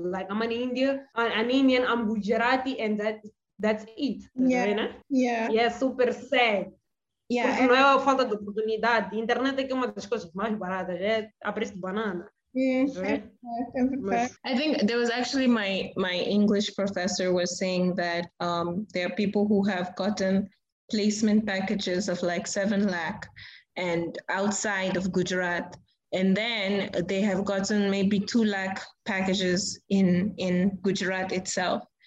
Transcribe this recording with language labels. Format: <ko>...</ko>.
<en>Like, I'm an Indian, I'm Gujarati, and that's it.</en> <pt>Estás a ver, né? E é super sad. Porque não é a falta de oportunidade. Internet é que é uma das coisas mais baratas, é a preço de banana. Vê? Mas.</pt> <en>I think there was actually my English professor was saying that there are people who have gotten placement packages of like 7 lakh and outside of Gujarat, and then they have gotten maybe 2 lakh packages in Gujarat itself.</en>